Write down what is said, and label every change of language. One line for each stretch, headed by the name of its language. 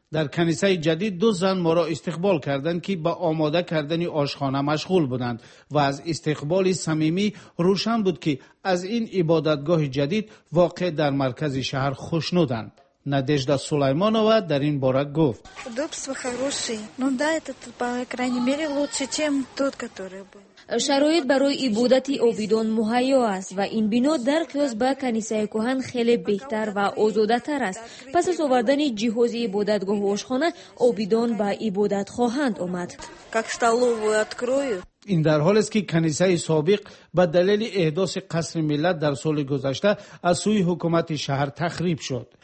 Persian: در کنیسه جدید دو زن ما را استقبال کردند که به آماده کردن آشخانه مشغول بودند و از استقبال صمیمی روشن بود که از این عبادتگاه جدید واقع در مرکز شهر خوشنودند. نادژدا سلیمانوا در این باره گفت:
Russian: دوبسو хороший. Ну да, этот по крайней мере лучше, чем тот, который был.
Persian: شرایط برای عبادت عابدان مهیا است و این بنا در قیاس به کنیسه کهن خیلی بهتر و آزاده‌تر است. پس از آوردن جهاز عبادتگاه و آشخانه، عابدان به عبادت خواهند آمد.
Russian: Как столовую открою.
Persian: این در حال است که کنیسه سابق به دلیل احداث قصر ملت در سال گذشته از سوی حکومت شهر تخریب شد.